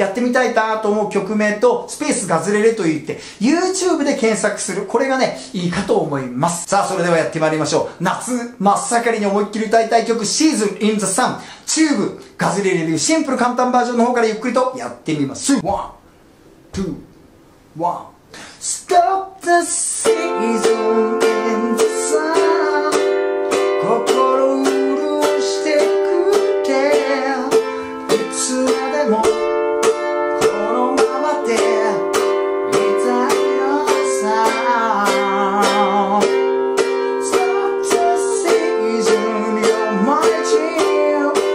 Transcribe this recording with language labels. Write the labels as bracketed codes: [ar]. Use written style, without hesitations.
[ja] やってみたいなと思う曲名と、スペースガズレレと言って、YouTube で検索する。これがね、いいかと思います。さあ、それではやってまいりましょう。夏、真っ盛りに思いっきり歌いたい曲、シーズン in the sun、チューブ、ガズレレというシンプル簡単バージョンの方からゆっくりとやってみます。 1、2、1。 [en] Stop the season in the sun. [ja] 心潤してくれ。いつまでもこのままでいたいのさ。 [en] Stop the season, you're my dream.